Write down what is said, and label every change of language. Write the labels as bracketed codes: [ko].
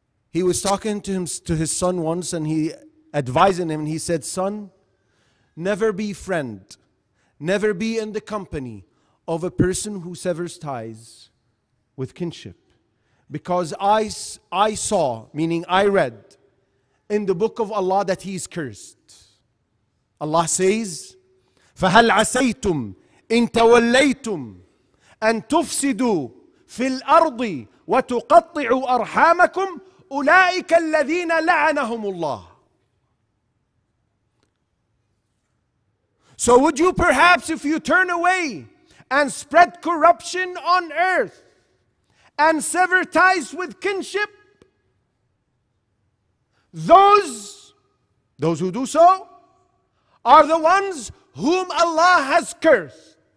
[en] He was talking to him, to his son once, and he advising him, and he said, son, never be friend, never be in the company of a person who severs ties with kinship. Because I saw, meaning I read, in the book of Allah that he is cursed. Allah says, [ar] فَهَلْ عَسَيْتُمْ إِن تَوَلَّيْتُمْ أَن تُفْسِدُوا فِي الْأَرْضِ وَتُقَطِّعُوا أَرْحَامَكُمْ أُولَٰئِكَ الَّذِينَ لَعَنَهُمُ اللَّهُ. [en] So would you perhaps, if you turn away and spread corruption on earth and sever ties with kinship, those who do so are the ones whom Allah has cursed.